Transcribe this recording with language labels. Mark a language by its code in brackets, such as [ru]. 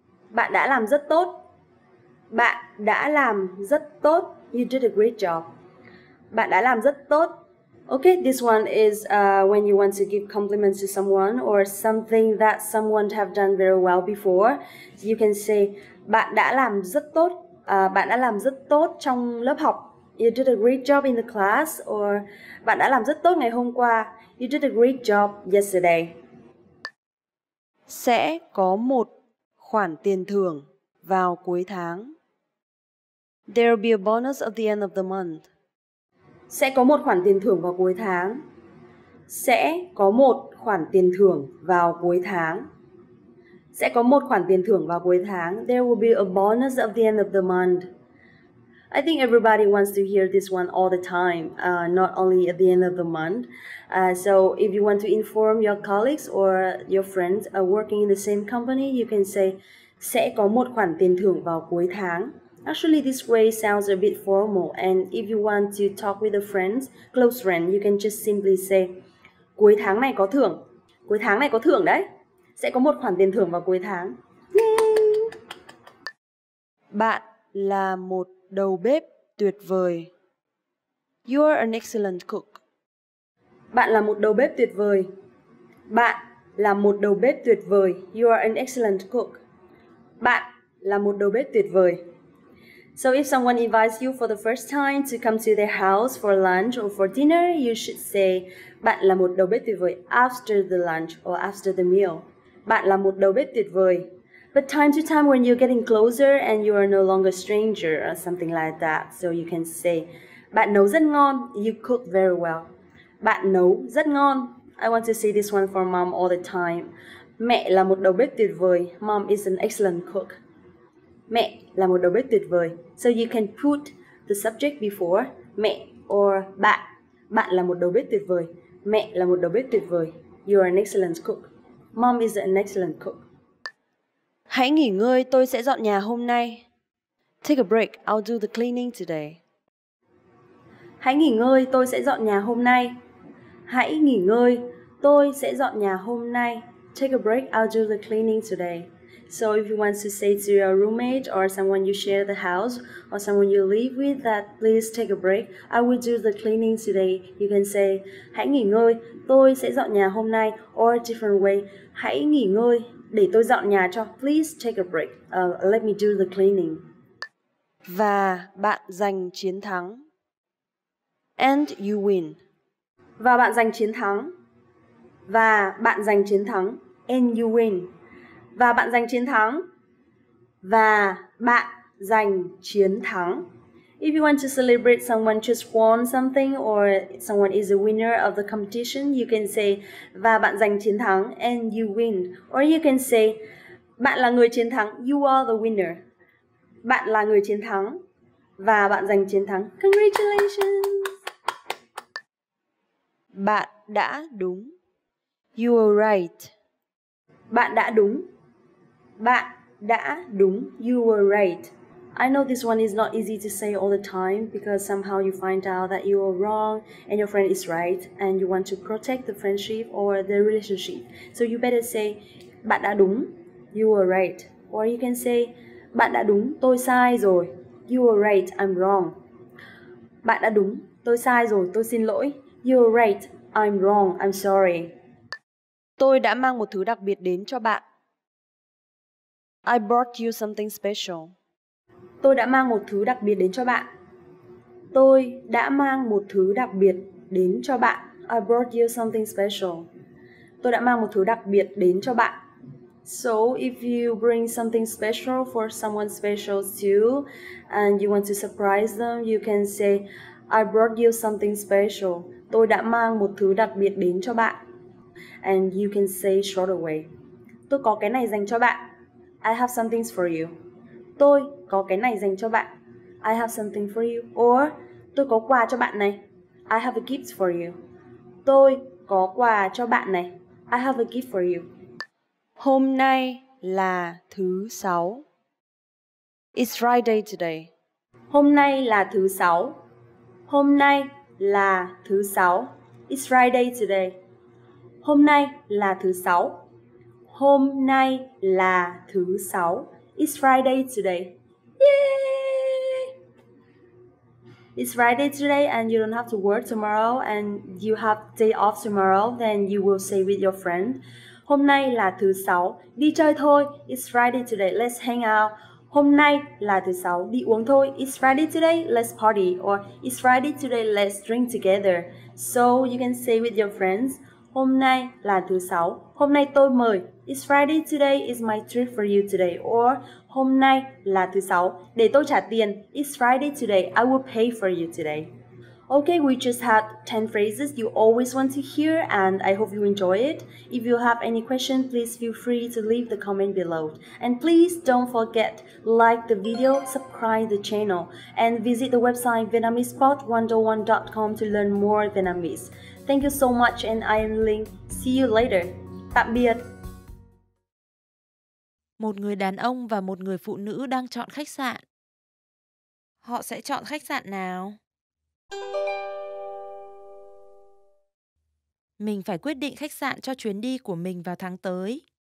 [vi] Bạn đã làm rất tốt. Bạn đã làm rất tốt. [en] You did a great job. [vi] Bạn đã làm rất tốt. [en] Okay, this one is when you want to give compliments to someone or something that someone have done very well before. You can say [vi] bạn đã làm rất tốt. Bạn đã làm rất tốt trong lớp học. [en] You did a great job in the class. [vi] Or bạn đã làm rất tốt ngày hôm qua. [en] You did a great job yesterday. [vi] Sẽ có một khoản tiền thưởng vào cuối tháng. [en] There'll be a bonus at the end of the month. [vi] Sẽ có một khoản tiền thưởng vào cuối tháng. Sẽ có một khoản tiền thưởng vào cuối tháng. Sẽ có một khoản tiền thưởng vào cuối tháng. [en] There will be a bonus at the end of the month. I think everybody wants to hear this one all the time, not only at the end of the month. So if you want to inform your colleagues or your friends working in the same company, you can say, [vi] sẽ có một khoản tiền thưởng vào cuối tháng. [en] Actually, this way sounds a bit formal. And if you want to talk with a friend, close friend, you can just simply say, [vi] cuối tháng này có thưởng. Cuối tháng này có thưởng đấy. Sẽ có một khoản tiền thưởng vào cuối tháng. [en] Yay! [vi] Bạn là một đầu bếp tuyệt vời. [en] You are an excellent cook. [vi] Bạn là một đầu bếp tuyệt vời. Bạn là một đầu bếp tuyệt vời. [en] You are an excellent cook. [vi] Bạn là một đầu bếp tuyệt vời. [en] So if someone invites you for the first time to come to their house for lunch or for dinner, you should say [vi] bạn là một đầu bếp tuyệt vời [en] after the lunch or after the meal. [vi] Bạn là một đầu bếp tuyệt vời. [en] But time to time when you're getting closer and you are no longer a stranger or something like that, so you can say, [vi] bạn nấu rất ngon, [en] you cook very well. [vi] Bạn nấu rất ngon. [en] I want to say this one for mom all the time. [vi] Mẹ là một đầu bếp tuyệt vời. [en] Mom is an excellent cook. [vi] Mẹ là một đầu bếp tuyệt vời. [en] So you can put the subject before mẹ or bạn. [vi] Bạn là một đầu bếp tuyệt vời. Mẹ là một đầu bếp tuyệt vời. [en] You are an excellent cook. Mom is an excellent cook. [vi] Hãy nghỉ ngơi, tôi sẽ dọn nhà hôm nay. [en] Take a break, I'll do the cleaning today. [vi] Hãy nghỉ ngơi, tôi sẽ dọn nhà hôm nay. Hãy nghỉ ngơi, tôi sẽ dọn nhà hôm nay. [en] Take a break, I'll do the cleaning today. So if you want to say to your roommate or someone you share the house or someone you live with that please take a break, I will do the cleaning today. You can say, [vi] hãy nghỉ ngơi, tôi sẽ dọn nhà hôm nay. [en] Or a different way, [vi] hãy nghỉ ngơi. Để tôi dọn nhà cho. [en] Please take a break. Let me do the cleaning. [vi] Và bạn giành chiến thắng. [en] And you win. [vi] Và bạn giành chiến thắng. Và bạn giành chiến thắng. [en] And you win. [vi] Và bạn giành chiến thắng. Và bạn giành chiến thắng. [en] If you want to celebrate someone just won something or someone is a winner of the competition, you can say, [vi] và bạn giành chiến thắng, [en] and you win. Or you can say, [vi] Bạn là người chiến thắng. [en] You are the winner. [vi] Bạn là người chiến thắng. Và bạn giành chiến thắng. [en] Congratulations. [vi] Bạn đã đúng. [en] You are right. [vi] Bạn đã đúng. Bạn đã đúng. [en] You were right. I know this one is not easy to say all the time because somehow you find out that you are wrong and your friend is right and you want to protect the friendship or the relationship. So you better say, [vi] bạn đã đúng, [en] you were right. Or you can say, [vi] bạn đã đúng, tôi sai rồi, [en] you were right, I'm wrong. [vi] Bạn đã đúng, tôi sai rồi, tôi xin lỗi, [en] you were right, I'm wrong, I'm sorry. [vi] Tôi đã mang một thứ đặc biệt đến cho bạn. [en] I brought you something special. [vi] Tôi đã mang một thứ đặc biệt đến cho bạn. Tôi đã mang một thứ đặc biệt đến cho bạn. I brought you something special. Tôi đã mang một thứ đặc biệt đến cho bạn. [en] So if you bring something special for someone special to you and you want to surprise them, you can say I brought you something special. [vi] Tôi đã mang một thứ đặc biệt đến cho bạn. [en] And you can say straight away. [vi] Tôi có cái này dành cho bạn. [en] I have something for you. [vi] Tôi có cái này dành cho bạn. [en] I have something for you. Or [vi] tôi có quà cho bạn này. [en] I have a gift for you. [vi] Tôi có quà cho bạn này. [en] I have a gift for you. [vi] Hôm nay là thứ sáu. [en] It's Friday today. [vi] Hôm nay là thứ sáu. Hôm nay là thứ sáu. [en] It's Friday today. [vi] Hôm nay là thứ sáu. Hôm nay là thứ sáu. [en] It's Friday today. Yay! It's Friday today and you don't have to work tomorrow and you have day off tomorrow, then you will say with your friend, [vi] hôm nay là thứ sáu, đi chơi thôi, [en] it's Friday today, let's hang out. [vi] Hôm nay là thứ sáu, đi uống thôi, [en] it's Friday today, let's party. Or it's Friday today, let's drink together. So you can say with your friends, [vi] hôm nay là thứ sáu, hôm nay tôi mời, [en] it's Friday today, it's my treat for you today. Or [vi] hôm nay là thứ sáu, để tôi trả tiền, [en] it's Friday today, I will pay for you today. Okay, we just had 10 phrases you always want to hear and I hope you enjoy it. If you have any question, please feel free to leave the comment below. And please don't forget, like the video, subscribe the channel and visit the website VietnamesePod101.com to learn more Vietnamese. Thank you so much and I am Linh. See you later. [vi] Tạm biệt. Một người đàn ông và một người phụ nữ đang chọn khách sạn. Họ sẽ chọn khách sạn nào? Mình phải quyết định khách sạn cho chuyến đi của mình vào tháng tới.